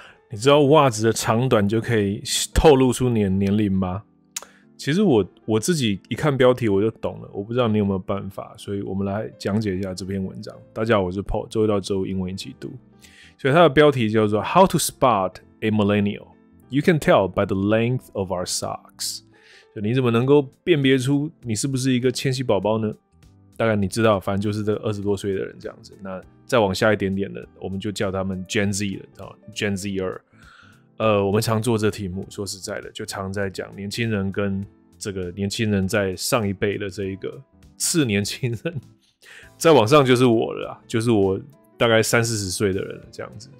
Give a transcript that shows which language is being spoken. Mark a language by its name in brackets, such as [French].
[Chinese] 你知道袜子的长短就可以透露出你的年龄吗？其实 我自己一看标题我就懂了，我不知道你有没有办法，所以我们来讲解一下这篇文章。大家好，我是 Paul， 周一到周五英文一起读。所以它的标题叫做 [English] How to spot a millennial? You can tell by the length of our socks。 [Chinese] 所以你怎么能够辨别出你是不是一个千禧宝宝呢？大概你知道，反正就是这二十多岁的人这样子。那再往下一点点的，我们就叫他们 Gen Z 了 ，Gen Z 二。我们常做这题目，说实在的，就常在讲年轻人跟这个年轻人在上一辈的这一个次年轻人，再往上就是我了啦，就是我大概三四十岁的人这样子。